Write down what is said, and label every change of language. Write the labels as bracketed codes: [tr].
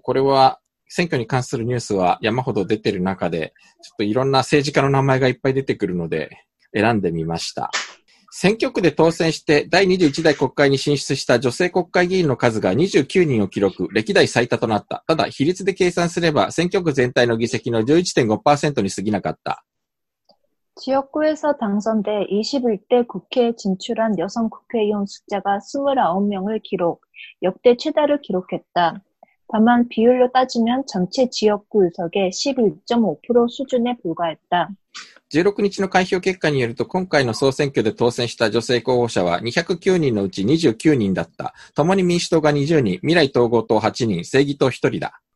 [ja] これは、選挙に関するニュースは山ほど出てる中で、ちょっといろんな政治家の名前がいっぱい出てくるので、選んでみました。選挙区で当選して第21代国会に進出した女性国会議員の数が29人を記録、歴代最多となった。ただ、比率で計算すれば選挙区全体の議席の 11.5% に過ぎなかった。 [ko] 지역구에서당선돼21대국회에진출한여성국회의원숫자가29명을기록역대최다를기록했다다만비율로따지면전체지역구의석의 11.5% 수준에불과했다 [ja] 16日の開票結果によると、今回の総選挙で当選した女性候補者は209人のうち29人だった。共に民主党が20人、未来統合党8人、正義党1人だ。